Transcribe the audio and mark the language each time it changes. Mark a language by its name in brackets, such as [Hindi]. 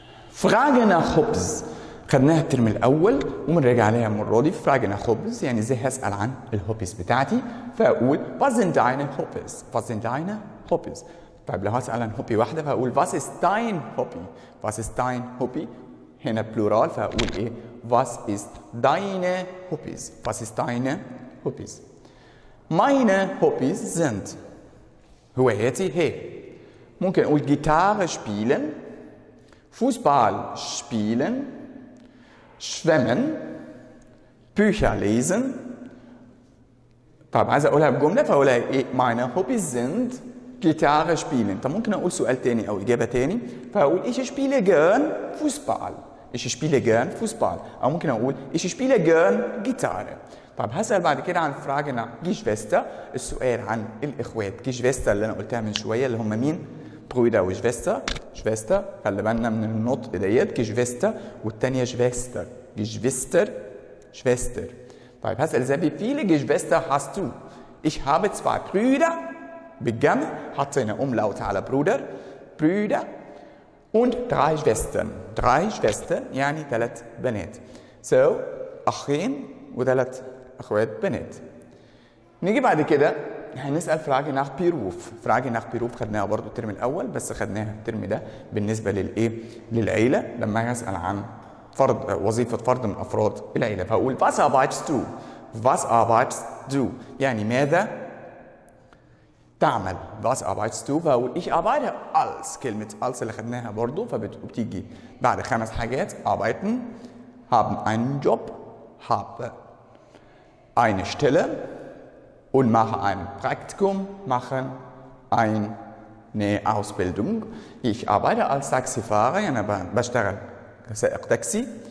[Arabic] فراجنا خبز خدناها الترم الأول ومنراجع عليها المرة دي. فراجة خبز يعني زي هسأل عن الهوبيز بتاعتي، فأقول [German] was sind deine hobbies. was sind deine hobbies. [Arabic] طيب لو هسأل عن هوبي واحدة فأقول [German] was ist dein hobby. was ist dein hobby. [Arabic] هنا بلورال فأقول إيه [German] was ist deine hobbies. was ist deine hobbies. meine hobbies sind [Arabic] هوايتي هي. [German] ممكن أقول جيتار spielen، فوسبال spielen، Schwimmen, Bücher lesen. [Arabic] طيب عايز اقولها بجمله فاقولها ايه؟ [German] meine hobbies sind Gitarre spielen. [Arabic] طب ممكن اقول سؤال تاني او اجابه تاني فاقول [German] ich spiele gern Fußball. ich spiele gern Fußball. [Arabic] او ممكن اقول [German] ich spiele gern Gitarre. [Arabic] طيب هسال بعد كده عن فراجه نا Geschwister، السؤال عن الاخوات. Geschwister اللي انا قلتها من شويه اللي هم مين؟ [German] Brüder und Schwester. [Arabic] Schwester. خلي بالنا من النطق ديت. Geschwister. [German] والتانية Schwester. Geschwister. Schwester. [Arabic] طيب هسأل زي [German] wie viele Geschwister hast du? Ich habe zwei Brüder. [Arabic] بالجمع. حط هنا أملاوت على Bruder. [German] Brüder. Und drei Schwestern. Drei Schwestern. [Arabic] يعني تلات بنات. So. أخين. وتلات أخوات بنات. نيجي بعد كده. هنسأل فراجة نخ بيروف. فراجة نخ بيروف خدناها برضو الترم الأول، بس خدناها الترم ده بالنسبة للإيه؟ للعيلة. لما هسأل عن فرد وظيفة فرد من أفراد العيلة فأقول [German] was arbeitest du. was arbeitest du [Arabic] يعني ماذا تعمل. [German] was arbeitest du. [Arabic] فأقول [German] ich arbeite als. [Arabic] كلمة als اللي خدناها برضو فبتيجي بعد خمس حاجات. [German] arbeiten، haben einen Job، habe eine Stelle، und mache ein Praktikum, eine Ausbildung. Ich arbeite als Taxifahrer, in einer Taxi.